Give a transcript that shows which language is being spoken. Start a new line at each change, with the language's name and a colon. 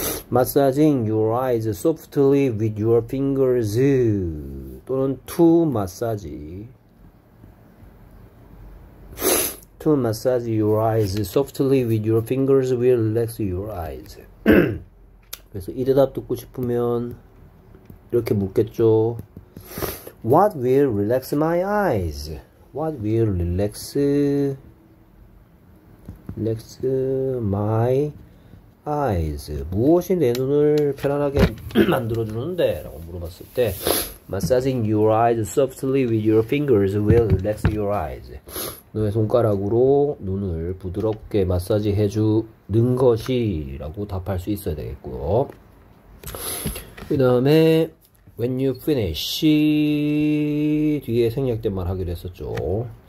English: Massaging your eyes softly with your fingers
Korean: 또는
English: to massage. To massage your eyes softly with your fingers will relax your eyes.
Korean: 그래서 이 대답 듣고 싶으면 이렇게 묻겠죠.
English: What will relax my eyes? What will relax my eyes?
Korean: 무엇이 내 눈을 편안하게 만들어주는데? 라고 물어봤을 때
English: Massaging your eyes softly with your fingers will relax your eyes.
Korean: 너의 손가락으로 눈을 부드럽게 마사지 해주는 것이라고 답할 수 있어야 되겠고요. 그 다음에
English: when you finish
Korean: 뒤에 생략된 말 하기로 했었죠.